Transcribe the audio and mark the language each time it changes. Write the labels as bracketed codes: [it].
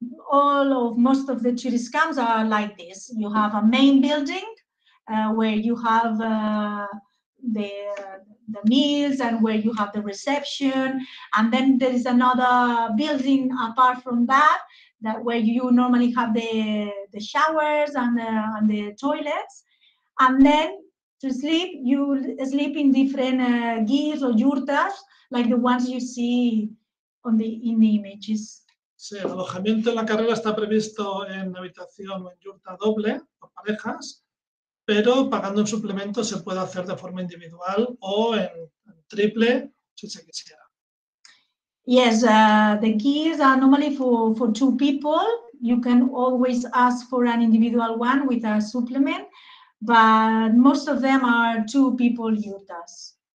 [en] all of most of the tourist camps are like this. You have a main building where you have the meals and where you have the reception, and then there is another building apart from that, that where you normally have the showers and the toilets, and then to sleep you sleep in different gis or yurtas, like the ones you see on the in the images. [es] Sí, el alojamiento en la carrera está previsto en habitación o en yurta doble por parejas, pero pagando un suplemento se puede hacer de forma individual o en triple si se quisiera. [en] Yes, the gis are normally for two people. You can always ask for an individual one with a supplement, but most of them are two people yurtas.